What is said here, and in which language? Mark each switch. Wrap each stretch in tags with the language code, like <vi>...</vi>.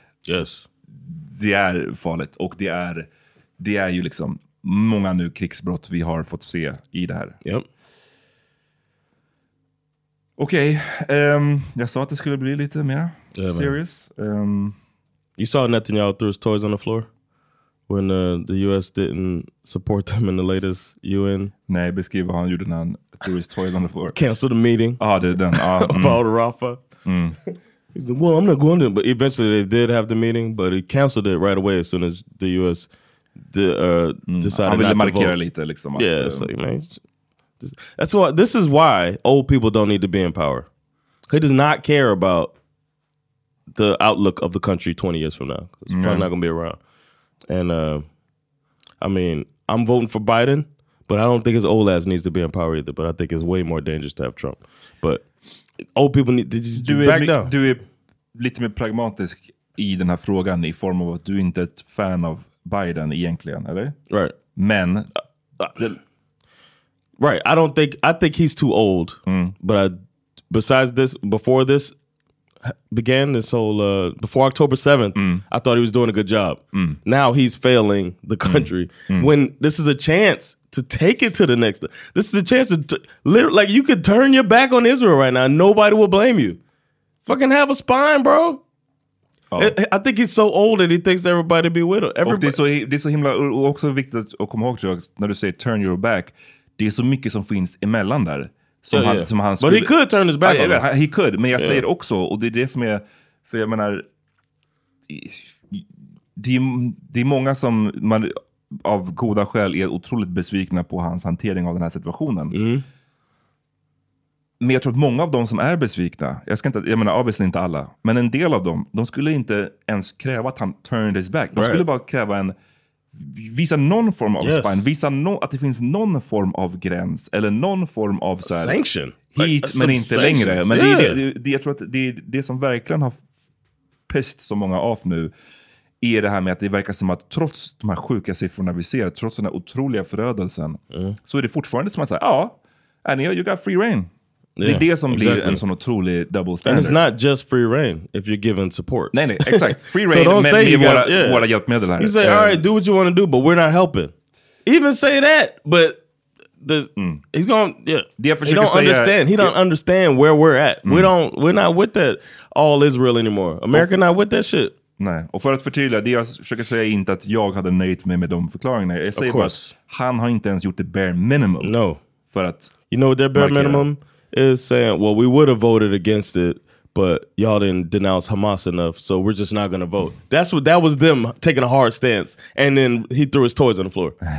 <en>yes,</en> <sv>det är farligt. Och det är ju liksom många nu krigsbrott vi har fått se i det här.</sv> <en>Yep.</en> <sv>Okej. Jag sa att det skulle bli lite mer serious.</sv> <en>You saw Netanyahu threw his toys on the floor when the US didn't support them in the latest UN.</en> <sv>Nej, beskriv vad han gjorde när han</sv> <en>threw his toys on the floor. Cancel the meeting.</en> <sv>Ah, det är den.</sv> <en>About Rafah. Mm. Well, I'm not going to, but eventually they did have the meeting, but he canceled it right away as soon as the US decided not to vote.</en> <sv>Han ville markera lite, liksom.</sv> <en>Yeah, so you mean, that's why, this is why old people don't need to be in power. He does not care about the outlook of the country 20 years from now. He's probably not going to be around. And I mean, I'm voting for Biden, but I don't think his old ass needs to be in power either. But I think it's way more dangerous to have Trump. But old people need to just back down.</en> <sv>Du är lite mer pragmatisk i den här frågan i form av att du inte är ett fan av Biden egentligen, eller?</sv> <en>Right.</en> <sv>Men</sv> <en>right, I think he's too old. Mm. But before October 7th, I thought he was doing a good job. Mm. Now he's failing the country. Mm. When this is a chance to take it to the next, this is a chance to literally, like, you could turn your back on Israel right now and nobody will blame you. Fucking have a spine, bro. Oh. I think he's so old that he thinks everybody be with him.</en> <sv>Det är så himla också viktigt att komma ihåg, tror jag, när du säger</sv> <en>turn your back.</en> <sv>Det är så mycket som finns emellan där.</sv> <en>But he could turn his back on him. He could,</en> <sv>men jag säger också, och det är det som är, för jag menar, det är många som man av goda skäl är otroligt besvikna på hans hantering av den här situationen. Mm. Men jag tror att många av dem som är besvikna, obviously inte alla, men en del av dem, de skulle inte ens kräva att han</sv> <en>turned his back.</en> <sv>De skulle bara kräva en, visa någon form av spine, visa att det finns någon form av gräns eller någon form av så här,</sv> <en>sanction,</en> <sv>hit, like, men inte sanctions längre. Men yeah, det jag tror att det är det som verkligen har pest så många av nu, är det här med att det verkar som att trots de här sjuka siffrorna vi ser, trots den här otroliga förödelsen, så är det fortfarande som att säga, ja,</sv> <en>and you got free reign. Yeah.</en> <sv>Det är det som exactly. blir en sån otrolig</sv> <en>double standard. And it's not just free reign if you're given support.</en> <sv>Nej, nej, exakt.</sv> <en>Free reign</en> <sv>so med våra, yeah. våra hjälpmedel här.</sv> <en>You say, all right, do what you want to do, but we're not helping. Even say that, but the he's going, yeah. He don't understand. He don't understand where we're at. Mm. We don't, we're not with that all Israel anymore. America not with that shit.</en> <sv>Nej, och för att förtydliga, det jag försöker säga är inte att jag hade nöjt mig med de förklaringarna. Jag säger bara att han har inte ens gjort det bare minimum.</sv> <en>No.</en> <sv>För att</sv> <en>you know what their bare minimum is saying, well, we would have voted against it, but y'all didn't denounce Hamas enough, so we're just not going to vote. That's what, that was them taking a hard stance, and then he threw his toys on the floor.</en>